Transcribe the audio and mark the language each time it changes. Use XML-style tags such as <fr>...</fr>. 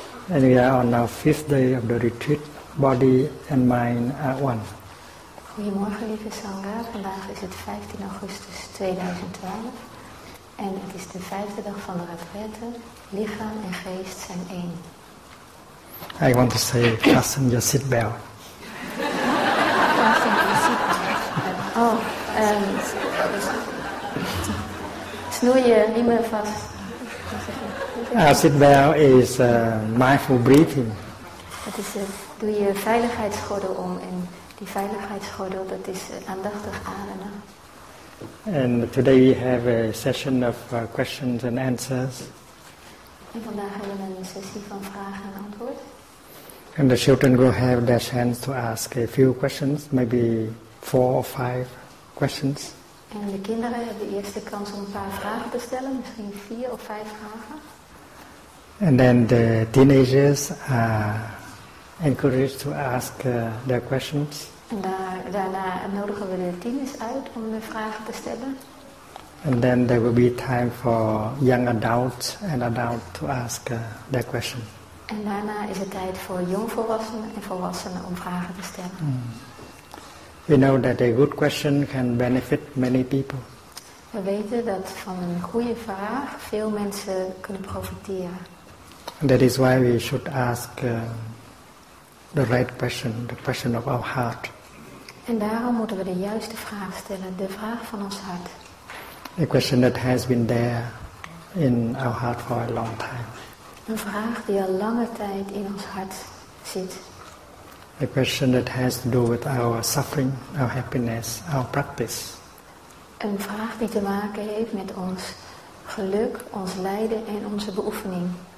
<en>And we are on our fifth day of the retreat. Body and mind are one.</en> <nl>Goedemorgen, lieve Sangha. Vandaag is het 15 augustus 2012. En het is de vijfde dag van de retraite. Lichaam en geest zijn één.</nl> <en>I want to say, fasten your seatbelt. Fasten your seatbelt.</en> <nl>Snoer je riemen vast.</nl> <en>Seatbelt is mindful breathing.</en> <nl>Het is doe je veiligheidsgordel om. En die veiligheidsgordel, dat is aandachtig ademen.</nl> <en>And today we have a session of questions and answers.</en> <nl>En vandaag hebben we een sessie van vraag en antwoord.</nl> <en>And the children will have their chance to ask a few questions, maybe 4 or 5 questions.</en> <nl>En de kinderen hebben de eerste kans om een paar vragen te stellen, misschien 4 of 5 vragen.</nl> <en>And then the teenagers are encouraged to ask their questions.</en> <nl>Daarna nodigen we de tieners uit om de vragen te stellen.</nl> <en>And then there will be time for young adults and adult to ask their question.</en> <nl>En daarna is het tijd voor jongvolwassenen en volwassenen om vragen te stellen. Mm.</nl> <en>We know that a good question can benefit many people.</en> <nl>We weten dat van een goede vraag veel mensen kunnen profiteren.</nl> <en>And that is why we should ask the right question, the question of our heart.</en> <nl>En daarom moeten we de juiste vraag stellen, de vraag van ons hart.</nl> <en>A question that has been there in our heart for a long time.</en> <nl>Een vraag die al lange tijd in ons hart zit.</nl> <en>A question that has to do with our suffering, our happiness, our practice.</en> <nl>Een vraag die te maken heeft met ons geluk, ons lijden en onze beoefening.</nl>